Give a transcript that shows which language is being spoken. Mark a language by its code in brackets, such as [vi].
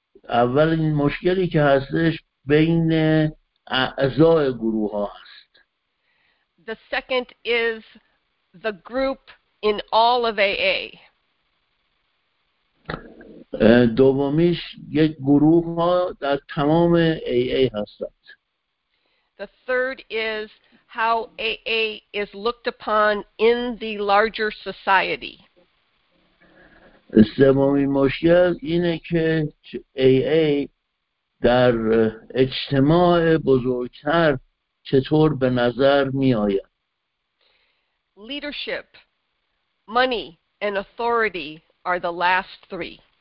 [fa] اولین مشکلی که هستش بین اعضای گروه ها هست. [en] The second is the group in all of AA. [fa] دومیش یک گروه ها در تمام AA هستند. [en] The third is how AA is looked upon in the larger society. [fa] سومی مشکل اینه که AA در اجتماع بزرگتر چطور به نظر می آید. [en] Leadership, money and authority are the last three.